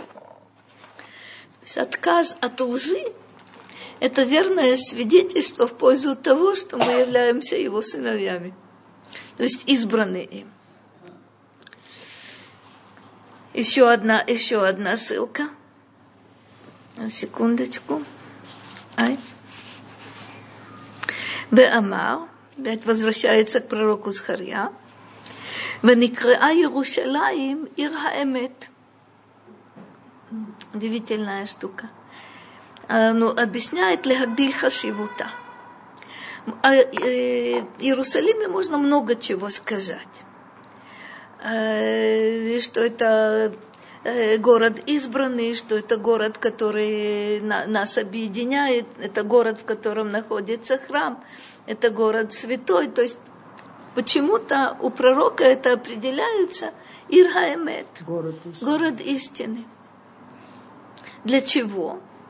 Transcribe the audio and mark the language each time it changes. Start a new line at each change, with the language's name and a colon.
Russian: То есть отказ от лжи – это верное свидетельство в пользу того, что мы являемся его сыновьями, то есть избранные им. Еще одна ссылка. Секундочку. Ай. Бе Амар, опять возвращается к пророку Захарья.
Hebrew: ונקראה ירושלים עיר האמת.
Russian: Удивительная штука. Ну, объясняет
Hebrew: להגדיל חשיבותה.
Russian: Иерусалиме можно много чего сказать. Что это город избранный, что это город, который нас объединяет, это город, в котором находится храм, это город святой, то есть почему-то у пророка это определяется Ир ха-эмет, город истины. Для чего?